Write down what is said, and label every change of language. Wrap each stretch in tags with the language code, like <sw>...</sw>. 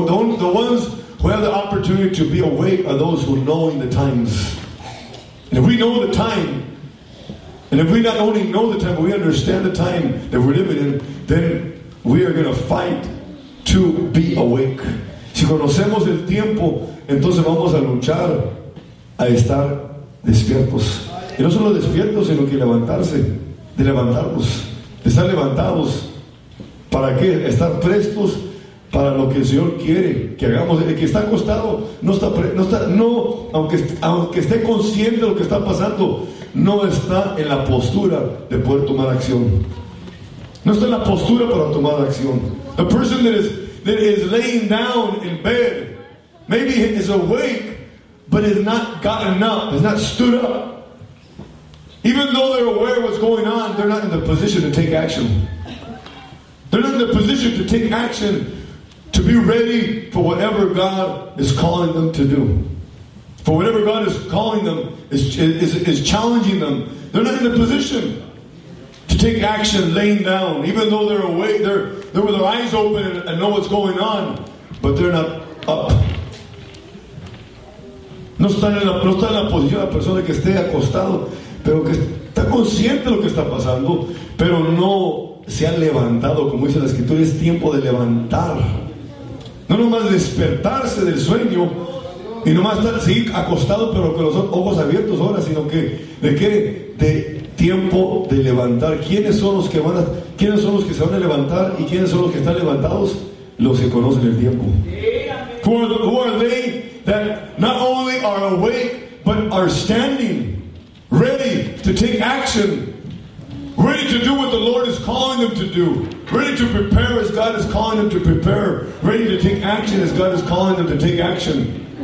<en>Oh, the ones who have the opportunity to be awake are those who know the times. And if we know the time, and if we not only know the time, but we understand the time that we're living in, then we are going to fight to be awake.</en> <es>Si conocemos el tiempo, entonces vamos a luchar a estar despiertos. Y no solo despiertos, sino que levantarse, de levantarnos, de estar levantados. ¿Para qué? Estar prestos para lo que el Señor quiere que hagamos. El que está acostado, aunque esté consciente de lo que está pasando, no está en la postura de poder tomar acción. No está en la postura para tomar acción.</es> <en>The person that is laying down in bed, maybe he is awake, but has not gotten up, has not stood up. Even though they're aware of what's going on, they're not in the position to take action. They're not in the position to take action to be ready for whatever God is calling them to do. For whatever God is calling them, is challenging them. They're not in a position to take action, laying down, even though they're awake, they're with their eyes open and know what's going on, but they're not up.</en> <es>No están en la posición de la persona que esté acostado, pero que está consciente de lo que está pasando, pero no se han levantado, como dice la Escritura. Es tiempo de levantar. No nomás despertarse del sueño y nomás estar así acostado, pero con los ojos abiertos ahora, sino que de qué, de tiempo de levantar. ¿Quiénes son los que se van a levantar y quiénes son los que están levantados? Los que conocen el tiempo.</es> <en>Who are they that not only are awake but are standing ready to take action, ready to do what the Lord is calling them to do, ready to prepare as God is calling them to prepare, ready to take action as God is calling them to take action.</en>